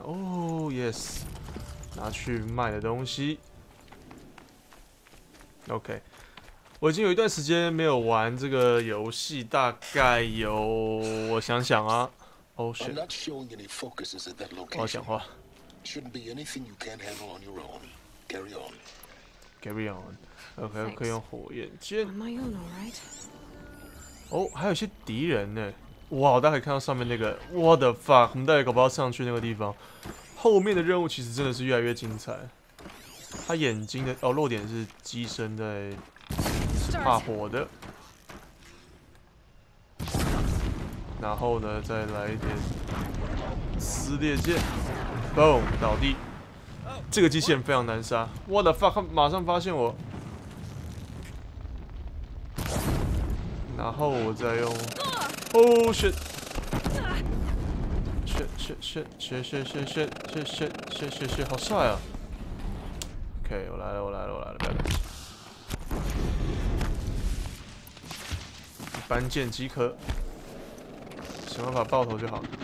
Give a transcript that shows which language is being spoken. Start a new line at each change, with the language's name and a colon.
Chinese: 哦 ，yes， 拿去卖的东西。 OK， 我已经有一段时间没有玩这个游戏，大概有我想想啊 ，
English: Oh shit，
Chinese: 我要讲话。
English: Shouldn't be anything you can't handle on your own. Carry on. Carry on.
Chinese: Okay, 可以用火焰剑。
English: Am I on all right?
Chinese: 哦，还有些敌人呢。哇，大家可以看到上面那个。
English: What the fuck？
Chinese: 我们大概搞不到上去那个地方。后面的任务其实真的是越来越精彩。他眼睛的哦，弱点是机身在怕火的。然后呢，再来一点撕裂剑。 Boom， 倒地。这个机器人非常难杀。
English: What the fuck？
Chinese: 他马上发现我，然后我再用。
English: Oh shit！ Shit shit shit shit shit shit shit shit shit shit shit shit，
Chinese: 好帅啊 ！OK， 我来了，我来了，我来了，拜拜。一般剑即可，想办法爆头就好。